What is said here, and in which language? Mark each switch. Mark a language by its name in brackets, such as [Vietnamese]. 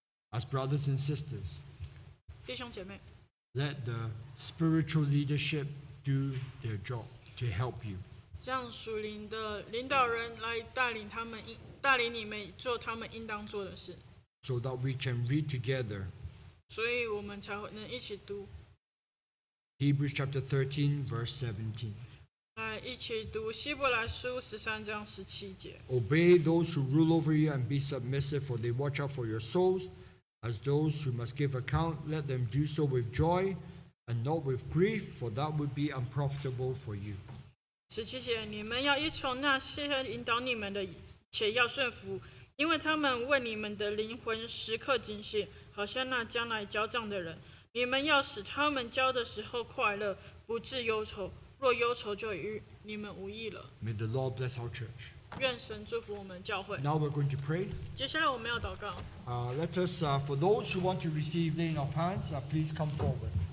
[English] As brothers and sisters, [Chinese] 弟兄姐妹, [English] let the spiritual leadership do their job to help you. [Chinese] 让属灵的领导人来带领他们带领你们做他们应当做的事。 [English] So that we can read together. [Chinese] 所以我们才能一起读。 [English] Hebrews chapter 13, verse 17. [Chinese] 来一起读希伯来书十三章十七节。 [English] Obey those who rule over you and be submissive, for they watch out for your souls. As those who must give account, let them do so with joy and not with grief, for that would be unprofitable for you. [Chinese] 十七节，你们要依从那些引导你们的且要顺服，因为他们为你们的灵魂时刻警醒，好像那将来交账的人。你们要使他们交的时候快乐，不致忧愁。若忧愁，就与你们无益了。 [English] May the Lord bless our church. [Chinese] 愿神祝福我们教会。 [English] Now we're going to pray. [Chinese] 接下来我们要祷告。 [English] Let us, for those who want to receive laying of hands, please come forward.